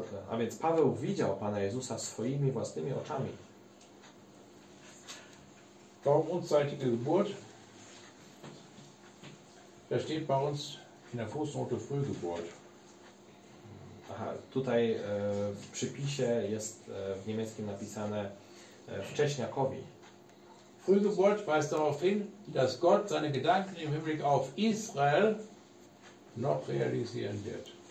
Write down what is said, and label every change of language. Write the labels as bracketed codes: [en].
[pl] A więc Paweł widział Pana Jezusa swoimi własnymi oczami. [de] Warum unzeitige Geburt? Da steht bei uns in der Fußnote Frühgeburt. [pl] Aha, tutaj w przypisie jest w niemieckim napisane wcześniakowi. [de] Frühgeburt weist darauf hin, dass Gott seine Gedanken im Hinblick auf Israel noch realisieren wird.